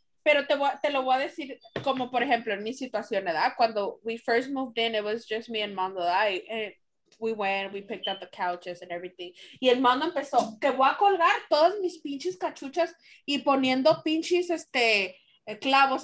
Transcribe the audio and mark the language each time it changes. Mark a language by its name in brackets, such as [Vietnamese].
[Spanish] Pero te lo voy a decir como, por ejemplo, en mi situación, ¿verdad? Cuando [English] we first moved in, it was just me and Mondo, [Spanish] ¿verdad? [English] And we picked up the couches and everything. [Spanish] Y el Mondo empezó, te voy a colgar todas mis pinches cachuchas y poniendo pinches clavos.